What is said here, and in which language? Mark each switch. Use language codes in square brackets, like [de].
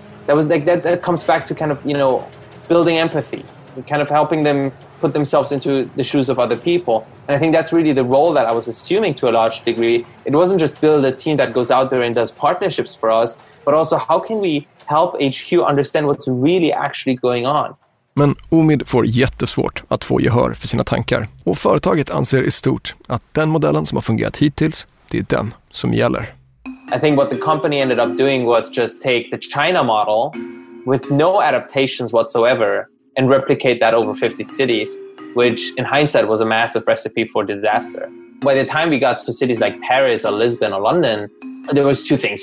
[en] That was like that comes back to kind of, you know, building empathy, kind of helping them put themselves into the shoes of other people. And I think that's really the role that I was assuming to a large degree. It wasn't just build a team that goes out there and does partnerships for us, but also how can we help HQ understand what's really actually going on? [sv] Men Omid får jättesvårt att få gehör för sina tankar. Och företaget anser i stort att den modellen som har fungerat hittills, det är den som gäller. [en] I think what the company ended up doing was just take the China model with no adaptations whatsoever and replicate that over 50 cities, which in hindsight was a massive recipe for disaster. By the time we got to cities like Paris or Lisbon or London, there was two things.